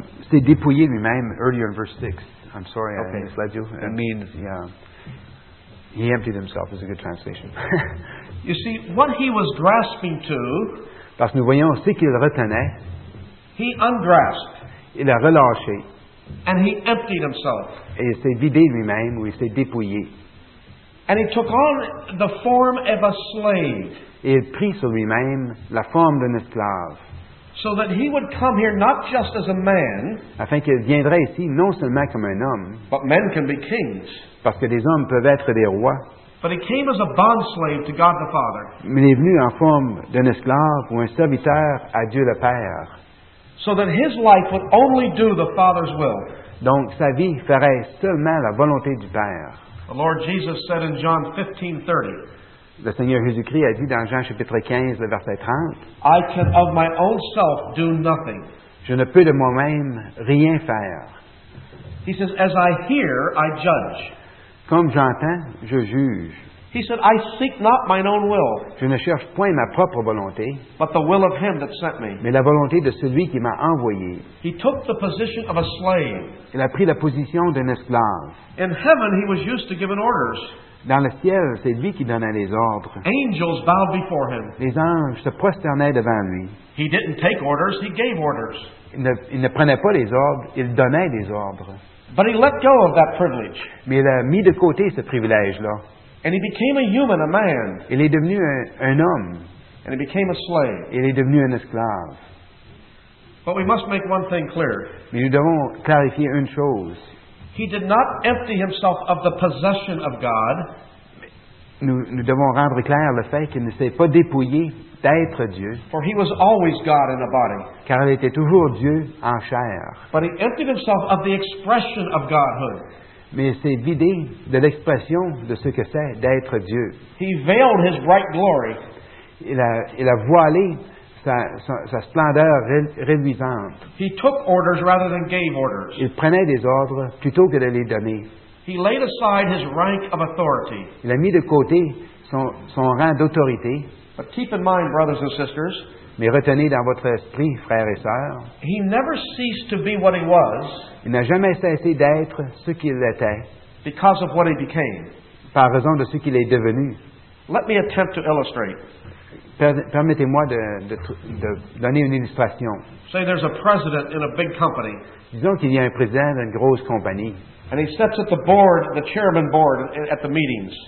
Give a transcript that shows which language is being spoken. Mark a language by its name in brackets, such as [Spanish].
[French] C'est dépouillé lui-même, [English] earlier in verse 6. I'm sorry, okay. I misled you. It means, yeah. He emptied himself is a good translation. You see, what he was grasping to, [French] parce que nous voyons aussi qu'il retenait, [English] he ungrasped. [French] Il a relâché. [English] And he emptied himself. [French] Et il s'est vidé lui-même, ou il s'est dépouillé. [English] And he took on the form of a slave. [French] Et il prit sur lui-même la forme d'un esclave. [English] So that he would come here not just as a man, [French] afin qu'il viendrait ici non seulement comme un homme, [English] but men can be kings. [French] Parce que des hommes peuvent être des rois. [English] But he came as a bond slave to God the Father. [French] Mais il est venu en forme d'un esclave ou un serviteur à Dieu le Père. [English] So that his life would only do the Father's will. [French] Donc sa vie ferait seulement la volonté du Père. [English] The Lord Jesus said in John 15:30. [French] Le Seigneur Jésus-Christ a dit dans Jean chapitre 15, le verset 30, [English] I can of my own self do nothing. [French] Je ne peux de moi-même rien faire. [English] He says, as I hear, I judge. [French] Comme j'entends, je juge. [English] He said, I seek not mine own will. [French] Je ne cherche point ma propre volonté, [English] but the will of him that sent me. [French] Mais la volonté de celui qui m'a envoyé. [English] He took the position of a slave. [French] Il a pris la position d'un esclave. [English] In heaven, he was used to giving orders. [French] Dans le ciel, c'est lui qui donnait les ordres. [English] Angels bowed before him. [French] Les anges se prosternaient devant lui. [English] He didn't take orders, he gave orders. [French] Il ne prenait pas les ordres, il donnait des ordres. [English] But he let go of that privilege. [French] Mais il a mis de côté ce privilège-là. [English] And he became a human, a man. [French] Il est devenu un homme. [English] And he became a slave. [French] Il est devenu un esclave. [English] But we must make one thing clear. [French] Mais nous devons clarifier une chose. [English] He did not empty himself of the possession of God. [French] Nous devons rendre clair le fait qu'il ne s'est pas dépouillé d'être Dieu. [English] For he was always God in a body. [French] Car il était toujours Dieu en chair. [English] But he emptied himself of the expression of Godhood. [French] Mais il s'est vidé de l'expression de ce que c'est d'être Dieu. [English] He veiled his bright glory. [French] Il a voilé sa splendeur reluisante. [English] He took orders rather than gave orders. [French] Il prenait des ordres plutôt que de les donner. [English] He laid aside his rank of authority. [French] Il a mis de côté son rang d'autorité. [English] But keep in mind, brothers and sisters, [French] mais retenez dans votre esprit, frères et sœurs, [English] he never ceased to be what he was. [French] Il n'a jamais cessé d'être ce qu'il était. [English] Because of what he became. [French] Par raison de ce qu'il est devenu. [English] Let me attempt to illustrate. [French] Permettez-moi de donner une illustration. [English] Say there's a president in a big company. [French] Disons qu'il y a un président d'une grosse compagnie. [English] And he sits at the board, the chairman board, at the meetings.